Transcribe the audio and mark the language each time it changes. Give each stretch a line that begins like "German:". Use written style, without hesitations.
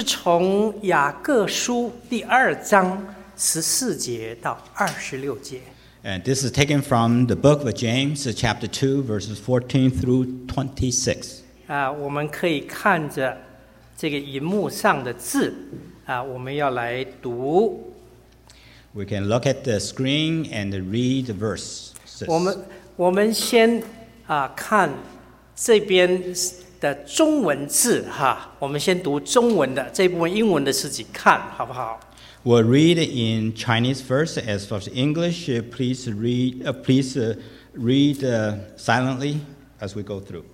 Chinese: 从雅各书第二章十四节到二十六节。
English: And this is taken from the book of James, chapter 2, verses 14 through 26.
Chinese: 我们可以看着这个荧幕上的字，我们要来读。
English: We can look at the screen and read the verses.
Chinese: 我们先看这边的中文字哈，我们先读中文的这部分英文的自己看好不好？
English: We'll read in Chinese first. As for English, please read silently as we go through.